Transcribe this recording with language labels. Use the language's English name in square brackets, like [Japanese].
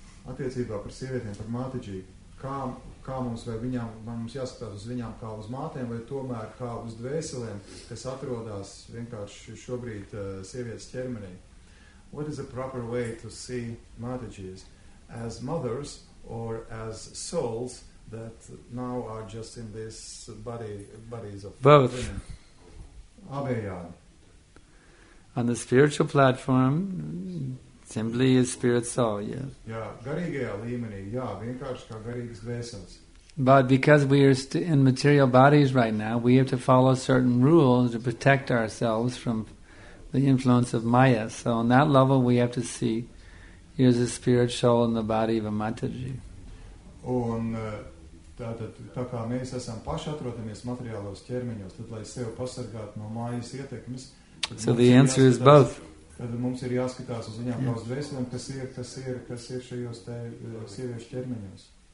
[Latvian] Attiecībā par sievietēm, par Mātiģī, kā mums vai viņām, man mums jāskatās uz viņām kā uz mātēm, vai tomēr kā uz dvēselēm, kas atrodas vienkārši šobrīd sievietes ķermenī. [English] What is the proper way to see Mātiģīs? As mothers, or as souls that now are just in this bodies of both. [Latvian] Abejād. [English] On the spiritual platform, simply is spirit soul, yes. [Latvian] Jā, garīgajā līmenī, jā, vienkārši kā garīgas dvēseles. [English] But because we are in material bodies right now, we have to follow certain rules to protect ourselves from the influence of Maya. So on that level, we have to see here's a spirit soul in the body of a Mataji. [Latvian] Un tā kā mēs esam paši atrodamies materiālos ķermeņos, tad lai sevi pasargātu no mājas ietekmes. [English] So the answer is both. [Latvian] Tad mums ir jāskatās uz viņām kā uz dvēselēm, kas ir šajos te sieviešu ķermeņos.